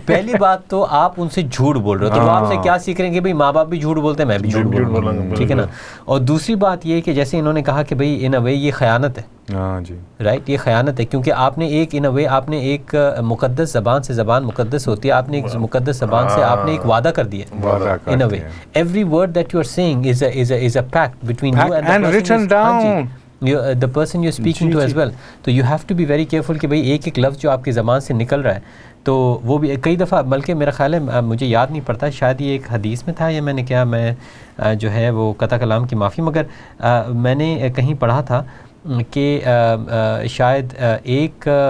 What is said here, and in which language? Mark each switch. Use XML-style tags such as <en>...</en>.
<ur>پہلی بات تو آپ ان سے جھوٹ بول رہے ہو تو وہ آپ سے کیا سیکھ رہے ہیں کہ بھائی ماں باپ بھی جھوٹ بولتے ہیں میں بھی جھوٹ بولوں ٹھیک ہے نا اور دوسری بات یہ کہ جیسے انہوں نے کہا کہ بھائی</ur> <en>In a way یہ خیانت ہے رائٹ یہ خیانت ہے کیونکہ آپ نے ایک ان اے وے آپ نے ایک مقدس زبان سے زبان مقدس ہوتی ہے آپ نے ایک مقدس زبان سے آپ نے ایک وعدہ کر دیا in a way every word that you are saying is a pact between you and written down the person you're speaking to as well. So you have to be very careful</en> <ur>کہ بھائی ایک ایک لفظ جو آپ کی زبان سے نکل رہا ہے تو وہ بھی کئی دفعہ بلکہ میرا خیال ہے مجھے یاد نہیں پڑتا شاید یہ ایک حدیث میں تھا یا میں نے کیا میں جو ہے وہ قطع کلام کی معافی مگر میں نے کہیں پڑھا تھا کہ شاید ایک</ur>